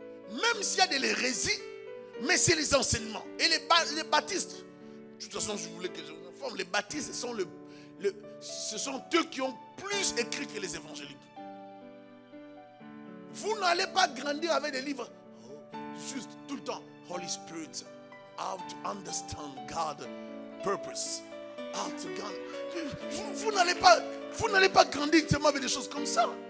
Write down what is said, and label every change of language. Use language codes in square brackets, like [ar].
[fr] Même s'il y a de l'hérésie, mais c'est les enseignements. Et les baptistes, de toute façon, je voulais que je vous informe, les baptistes, ce sont eux qui ont plus écrit que les évangéliques. Vous n'allez pas grandir avec des livres juste tout le temps. [en] Holy Spirit, how to understand God's purpose. How to God. [fr] Vous n'allez pas grandir seulement avec des choses comme ça.